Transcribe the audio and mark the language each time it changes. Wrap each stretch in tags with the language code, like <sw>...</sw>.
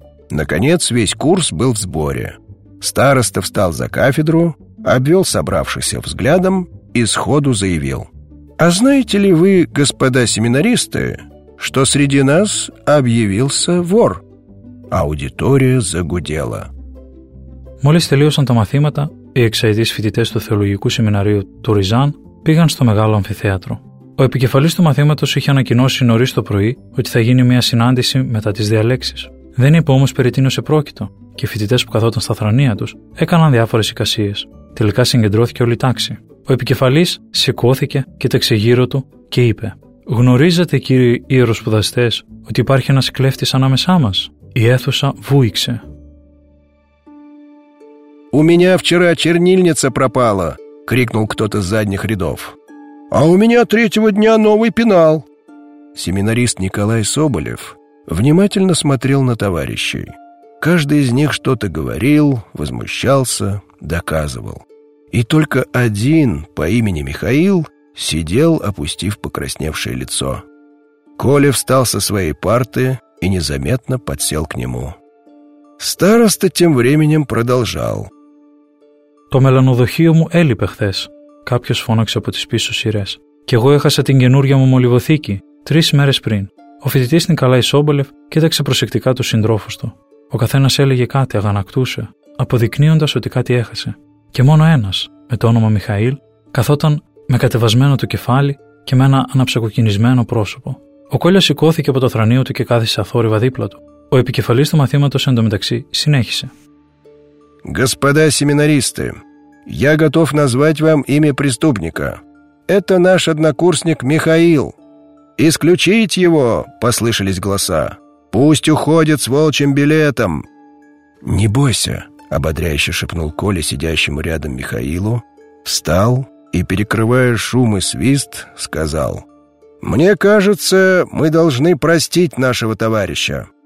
<ru>Наконец, весь курс был в сборе. Староста встал за кафедру, обвел собравшихся взглядом и сходу заявил: «А знаете ли вы, господа семинаристы, что среди нас объявился вор?» Аудитория загудела.</ru> <el>Молис тελείωσαν τα μαθήματα, οι εξαετείς φοιτητές του θεολογικού σεμιναρίου του Ριζάν πήγαν στο μεγάλο αμφιθέατρο. Ο επικεφαλής του μαθήματος είχε ανακοινώσει νωρίς το πρωί ότι θα γίνει μια συνάντηση μετά τις διαλέξεις. Δεν είπε όμως περί τίνος επρόκειτο και οι φοιτητές που καθόταν στα θρανία τους έκαναν διάφορες εικασίες. Τελικά συγκεντρώθηκε όλη η τάξη. Ο επικεφαλής σηκώθηκε, κοίταξε γύρω του και είπε: «Γνωρίζετε, κύριοι ιεροσπουδαστές, ότι υπάρχει ένας κλέφτης ανάμεσά μας?» Η αίθουσα βούηξε.</el> <ru>«У меня вчера чернильница пропала», крикнул кто-то с задних рядов. «А у меня третьего дня новый пенал». Семинарист Николай Соболев внимательно смотрел на товарищей. Каждый из них что-то говорил, возмущался, доказывал. И только один по имени Михаил сидел, опустив покрасневшее лицо. Коля встал со своей парты, и незаметно подсел к нему. Староста тем временем продолжал.</ru> <el>«То меланодохείο μου έλειπε χθες», — κάποιος φώναξε από τις πίσω σειρές. «Και εγώ έχασα την καινούργια μου μολυβοθήκη, τρεις μέρες πριν». Ο φοιτητής Νικολάη Σόμπελεφ κοίταξε προσεκτικά τους συντρόφους του. Ο καθένας έλεγε κάτι, αγανακτούσε, αποδεικνύοντας ότι κάτι έχασε. Και μόνο ένας, με το όνομα Μιχαήλ, καθόταν με κατεβασμένο το κεφάλι και με ένα αναψακοκκινισμένο πρόσωπο. Ο Κόλλιας σηκώθηκε από το θρανίο του και κάθισε αθόρυβα δίπλα του. Ο επικεφαλής του μαθήματος εντωμεταξύ συνέχισε.</el> <ru>«Господа семинаристы, я готов назвать вам имя преступника. Это наш однокурсник Михаил. Исключить его!» – послышались голоса. «Пусть уходит с волчьим билетом!» «Не бойся!» – ободряюще шепнул Коля сидящему рядом Михаилу, встал и, перекрывая шум и свист, сказал: «Мне кажется, мы должны простить нашего товарища.</ru>